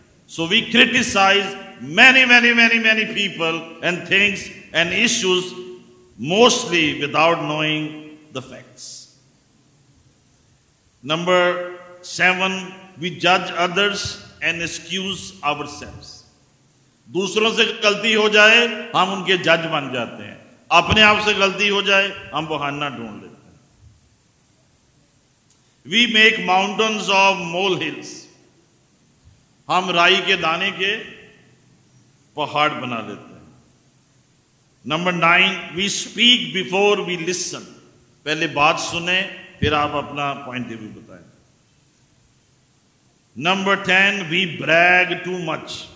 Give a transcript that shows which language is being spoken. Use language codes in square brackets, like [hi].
[en] So we criticize many many many many people and things and issues mostly without knowing the facts. Number 7, we judge others and excuse ourselves. [hi] दूसरों से गलती हो जाए हम उनके जज बन जाते हैं, अपने आप से गलती हो जाए हम बहाना ढूंढ लेते हैं. [en] We make mountains of molehills. [hi] हम राई के दाने के पहाड़ बना लेते हैं. [en] Number 9, we speak before we listen. [hi] पहले बात सुने फिर आप अपना पॉइंट ऑफ व्यू बताएं. [en] Number 10, we brag too much.